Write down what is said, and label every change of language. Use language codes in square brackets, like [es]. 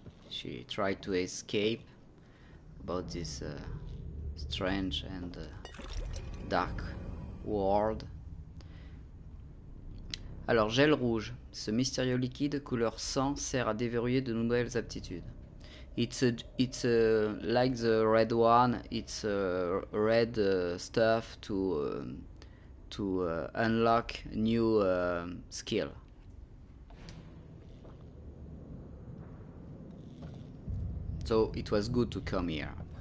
[en] She tried to escape about this strange and dark world. [fr] Alors, gel rouge. Ce mystérieux liquide couleur sang sert à déverrouiller de nouvelles aptitudes. [en] It's like the red one. It's a red stuff to unlock new skill. So it was good to come here.